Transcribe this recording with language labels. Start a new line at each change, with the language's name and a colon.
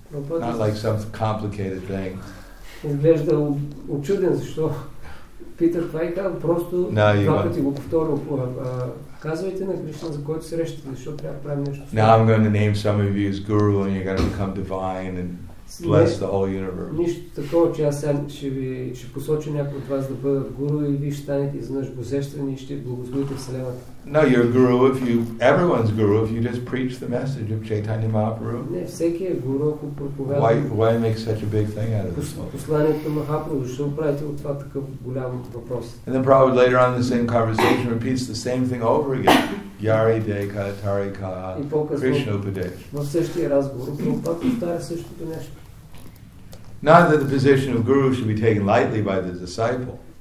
English: Not like some complicated thing. Now I'm going to name some of you as guru and you're going to become divine and bless the whole universe.
Bulgarian: Нищо такова, че аз ще посоча някой от вас да бъда гуру и ви ще станете изнъж божествени и ще благословите вселената.
English: No, you're guru if you, everyone's guru if you just preach the message of Chaitanya Mahaprabhu.
Bulgarian: Не, всеки е гуру, ако проповядва.
English: Why make such a big thing out of this?
Bulgarian: Посланието на Махапрабху, защо правите от това такъв голям въпрос?
English: And then Prabhupada later on in the same conversation repeats the same thing over again.
Bangla: Yari Deka, Tarika, Krishna Upadesh.
English: Not that the position of guru should be taken lightly by the disciple.